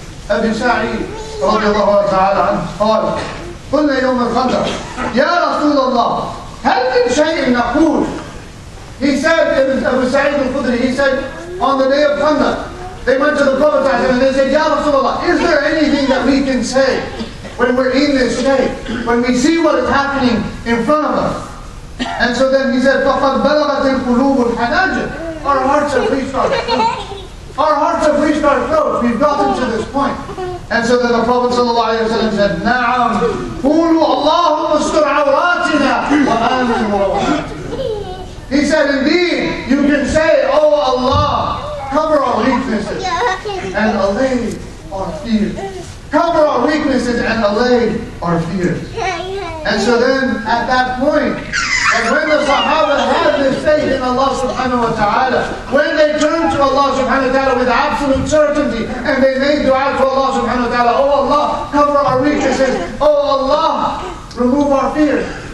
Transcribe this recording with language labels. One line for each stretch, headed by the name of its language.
Arabic: Abu Sa'id radiallahu wa ta'ala thought, قُلْنَا يَوْمَ الْخَنْدَرِ يَا رَسُولَ اللَّهِ هَلْ مِنْ شَيْءٍ نَقُولُ.
English: He said, Abu Sa'id al-Khudri, he said, on the day of Khandaq, they went to the Prophet and they said, Ya Rasulullah, is there anything that we can say when we're in this state, when we see what is happening in front of us? And so then he said,
Arabic: فَقَدْ بَلَغَتِ الْقُلُوبُ الْحَنَاجِرِ.
English: Our hearts have reached our throats. Our hearts have reached our throats. We've gotten to this point. And so then the Prophet said,
Arabic: نَعَمْ قُولُوا اللَّهُمَّ اسْتُرْ عَوْرَاتِنَا وَأَمِنْ رَوْعَاتِنَا.
English: He said, indeed, you can say, oh Allah, cover our weaknesses and allay our fears. Cover our weaknesses and allay our fears. And so then, at that point, and when the Sahaba had this faith in Allah subhanahu wa ta'ala, when they turned to Allah subhanahu wa ta'ala with absolute certainty, and they made dua to Allah subhanahu wa ta'ala, oh Allah, cover our weaknesses, oh Allah, remove our fears.